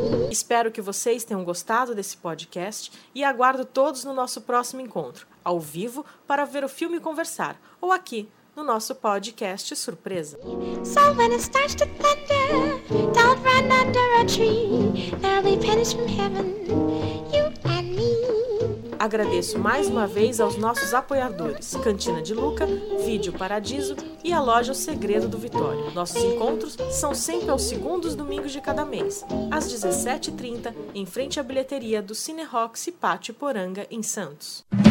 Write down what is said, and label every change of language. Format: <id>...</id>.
<pt>Espero que vocês tenham gostado desse podcast e aguardo todos no nosso próximo encontro, ao vivo, para ver o filme e conversar, ou aqui, no nosso podcast Surpresa.</pt> <en>So when it starts to thunder, don't run under a tree, there'll be pennies from heaven, you and me.</en> <pt>Agradeço mais uma vez aos nossos apoiadores, Cantina de Luca, Vídeo Paradiso e a loja O Segredo do Vitório. Nossos encontros são sempre aos segundos domingos de cada mês, às 17h30, em frente à bilheteria do Cine Roxy Pátio Poranga, em Santos.</pt>